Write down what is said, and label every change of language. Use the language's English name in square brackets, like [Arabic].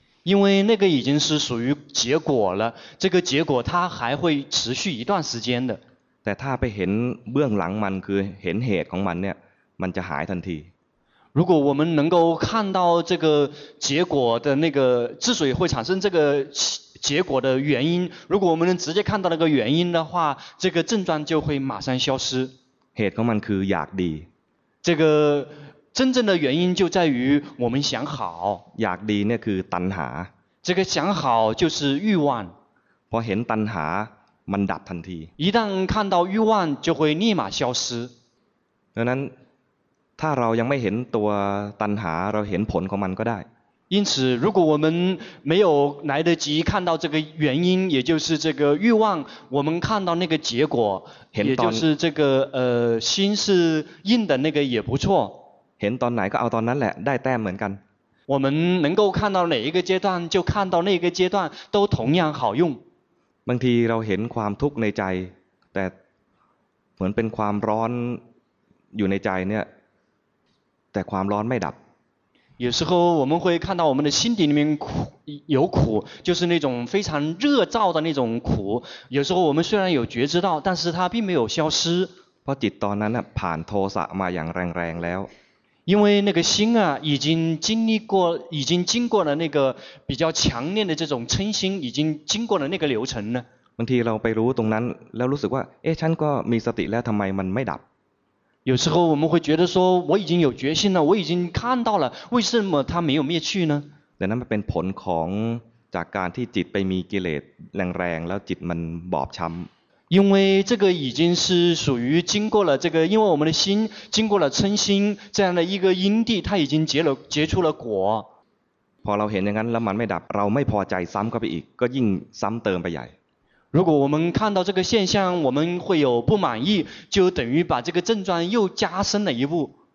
[Chinese] 因为那个已经是属于结果了这个结果它还会持续一段时间的 [Thai] แต่ถ้าไปเห็นเบื้องหลังมันคือเห็นเหตุของมันเนี่ยมันจะหายทันที [Chinese] 如果我们能够看到这个结果的那个之所以会产生这个结果的原因如果我们能直接看到那个原因的话这个症状就会马上消失 [Thai] เหตุของมันคืออยากดี [Chinese] 这个真正的原因就在于我们想好 [Thai] อยากดีเนี่ยคือตัณหา [Chinese] 这个想好就是欲望 [Thai] พอเห็นตัณหามันดับทันที [Chinese] 一旦看到欲望就会立马消失 [Thai] เพราะนั้นถ้าเรายังไม่เห็นตัวตัณหาเราเห็นผลของมันก็ได้ [Chinese] 因此如果我们没有来得及看到这个原因也就是这个欲望我们看到那个结果也就是这个心是硬的那个也不错 [Thai] เห็นตอนไหนก็เอาตอนนั้นแหละได้แต้มเหมือนกัน [Chinese] 我们能够看到哪一个阶段就看到那个阶段都同样好用 [Thai] บางทีเราเห็นความทุกข์ในใจแต่เหมือนเป็นความร้อนอยู่ในใจเนี่ยแต่ความร้อนไม่ดับ [Chinese] 有时候我们会看到我们的心底里面有苦就是那种非常热燥的那种苦有时候我们虽然有觉知到但是它并没有消失 [Thai] เพราะจิตตอนนั้นผ่านโทสะมาอย่างแรงๆแล้ว [Chinese] 因为那个心啊已经经历过已经经过了那个比较强烈的这种嗔心已经经过了那个流程了 [Thai] บางทีเราไปรู้ตรงนั้นแล้วรู้สึกว่าเอ๊ะฉันก็มีสติแล้วทำไมมันไม่ดับ [Chinese] 有时候我们会觉得说我已经有决心了我已经看到了为什么它没有灭去呢 [Thai] แต่นั้นเป็นผลของจากการที่จิตไปมีกิเลสแรงๆแล้วจิตมันบอบช้ำ [Chinese] 因为这个已经是属于经过了这个因为我们的心经过了嗔心这样的一个因地它已经结出了果 [Thai] พอเราเห็นอย่างนั้นแล้วมันไม่ดับเราไม่พอใจซ้ำเข้าไปอีกก็ยิ่งซ้ำเติมไปใหญ่ [Chinese] 如果我们看到这个现象我们会有不满意就等于把这个症状又加深了一步